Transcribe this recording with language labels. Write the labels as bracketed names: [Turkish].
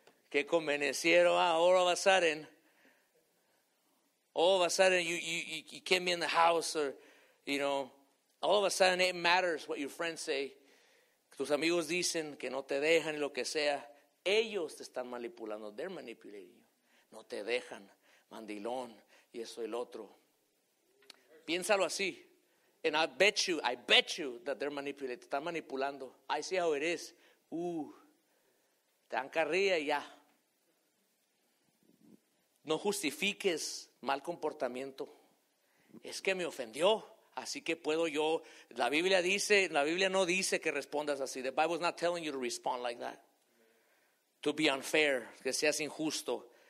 [Spanish] Que convenecieron, [English] all of a sudden you can't be in the house, or you know, all of a sudden it matters what your friends say. [Spanish] Tus amigos dicen que no te dejan y lo que sea. Ellos te están manipulando. [English] They're manipulating you. [Spanish] No te dejan, mandilón, y eso el otro. Piénsalo así. [English] And I bet you that they're manipulating. [Spanish] Te están manipulando. [English] I see how it is. [Spanish] Te dan carrilla y ya. No justifiques mal comportamiento. Es que me ofendió, así que puedo yo. La Biblia no dice que respondas así. [English] The Bible is not telling you to respond like that. To be unfair, [Spanish] que seas injusto.